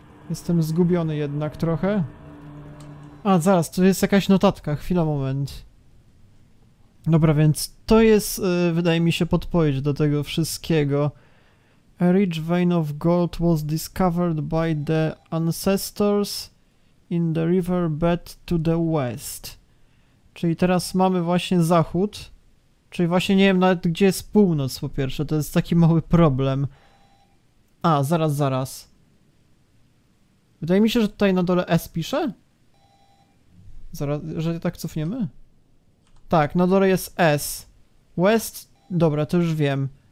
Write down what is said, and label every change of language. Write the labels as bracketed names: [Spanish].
[Polish] Jestem zgubiony jednak trochę. A, zaraz, tu jest jakaś notatka, chwila, moment. Dobra, więc to jest, wydaje mi się, podpowiedź do tego wszystkiego. [English] A rich vein of gold was discovered by the ancestors in the river bed to the west. [Polish] Czyli teraz mamy właśnie zachód. Czyli właśnie nie wiem nawet, gdzie jest północ, po pierwsze. To jest taki mały problem. A, zaraz, zaraz. Wydaje mi się, że tutaj na dole S pisze? Zaraz, że tak cofniemy? Tak, na dole jest S. West? Dobra, to już wiem.